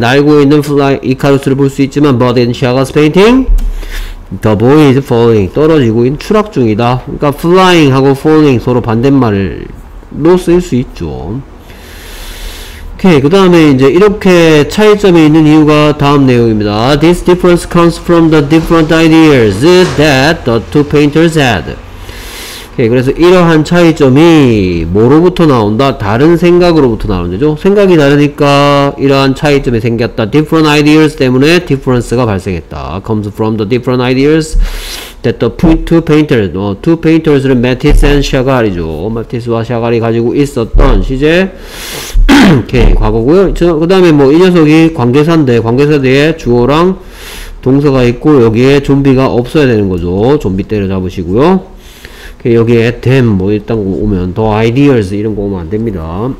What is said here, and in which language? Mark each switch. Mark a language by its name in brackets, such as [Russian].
[Korean] 날고 있는 이카루스를 볼 수 있지만, [English] But in Chagall's painting, the boy is falling. [Korean] 떨어지고 있는 추락 중이다. 그러니까 flying하고 falling 서로 반대말로 쓸 수 있죠. 오케이, 그 다음에 이제 이렇게 차이점이 있는 이유가 다음 내용입니다. [English] This difference comes from the different ideas that the two painters had. [Korean] 오케이. 그래서 이러한 차이점이 뭐로부터 나온다? 다른 생각으로부터 나온다죠. 생각이 다르니까 이러한 차이점이 생겼다. [English] Different ideas [Korean] 때문에 [English] difference [Korean] 가 발생했다. [English] Comes from the different ideas that the two painters, two painters는 Matisse and Chagall이죠. [Korean] Matisse와 Chagall이 가지고 있었던 시제. 오케이. 과거고요. 그 다음에 뭐 이 녀석이 관계사인데 관계사대에 주어랑 동서가 있고 여기에 좀비가 없어야 되는 거죠. 좀비 때려잡으시고요. 여기에 them 뭐 이딴 거 오면 더 ideas 이런 거 오면 안 됩니다.